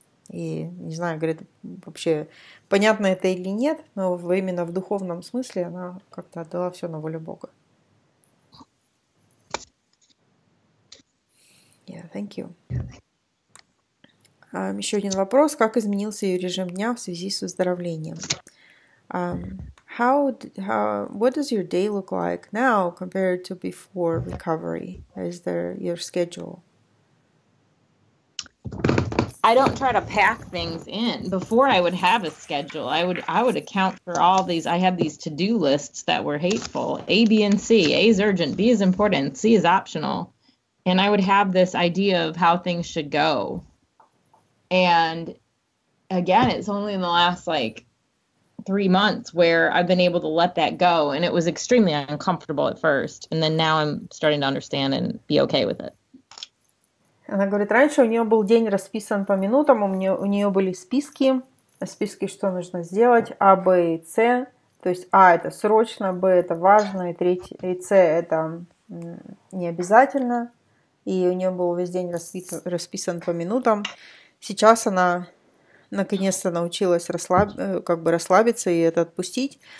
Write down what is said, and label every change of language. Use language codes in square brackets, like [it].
[ru] И не знаю, говорит, вообще понятно это или нет, но именно в духовном смысле она как-то отдала все на волю Бога. [en] Yeah, thank you. [ru] Еще один вопрос. Как изменился ее режим дня в связи с выздоровлением? [en] What does your day look like now compared to before recovery? Is there your schedule? I don't try to pack things in. Before I would have a schedule. I would account for all these. I had these to-do lists that were hateful. A, B, and C. A is urgent. B is important. C is optional. And I would have this idea of how things should go. And again, it's only in the last like 3 months where I've been able to let that go. And it was extremely uncomfortable at first. And then now I'm starting to understand and be okay with it. [ru] Она говорит, раньше у нее был день расписан по минутам, у нее были списки, списки, что нужно сделать, А, Б и С. То есть А – это срочно, Б – это важно, и третье, и С – это не обязательно. И у нее был весь день расписан по минутам. Сейчас она наконец-то научилась расслабиться и это отпустить.